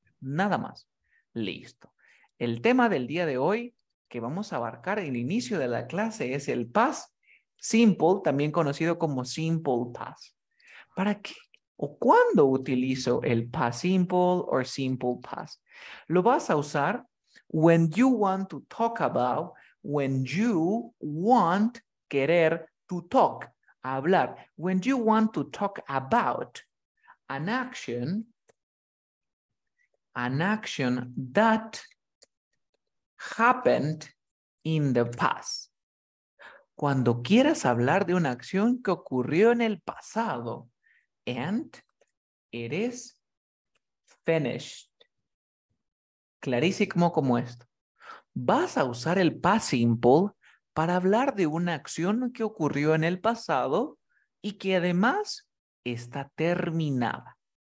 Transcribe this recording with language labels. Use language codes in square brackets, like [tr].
[es] participio. Nada más. Listo. El tema del día de hoy que vamos a abarcar el inicio de la clase es el past simple, también conocido como simple past. ¿Para qué o cuándo utilizo el past simple o simple past? Lo vas a usar [en] when you want to talk about, when you want querer to talk, hablar. When you want to talk about an action that happened in the past. [es] Cuando quieras hablar de una acción que ocurrió en el pasado. [en] And it is finished. [es] Clarísimo como esto. Vas a usar el past simple para hablar de una acción que ocurrió en el pasado y que además está terminada.